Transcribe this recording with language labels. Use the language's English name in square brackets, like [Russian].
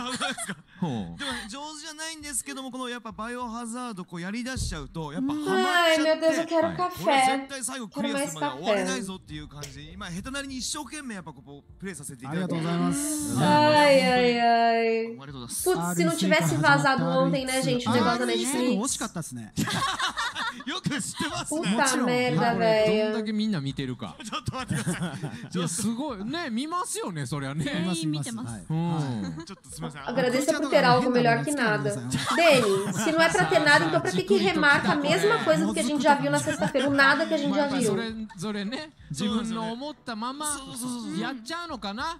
[Japanese] でも上手じゃないんですけども、このやっぱバイオハザードこうやり出しちゃうとやっぱハマっちゃって。これ絶対最後クリアするまで終われないぞっていう感じ。今下手なりに一生懸命やっぱこうプレイさせていただいて。ありがとうございます。はいはいはい。ありがとうございます。 [Portuguese] Putz, se não tivesse vazado ontem, né, gente? O negócio da Netflix。 [Japanese] 惜しかったですね。よく知ってますね。 [Portuguese] Puta merda, velho。 [Japanese] どんだけみんな見てるか。ちょっと待ってください。いやすごいね、見ますよね、それは。全員見てます。ちょっとすみません。 [Portuguese] Agradeço por ter algo melhor que nada. Dani, se não é pra ter nada, então pra que remarca a mesma coisa que a gente já viu na sexta-feira? O nada que a gente já viu. Zoré, né? [Japanese] 自分の思ったままやっちゃうのかな。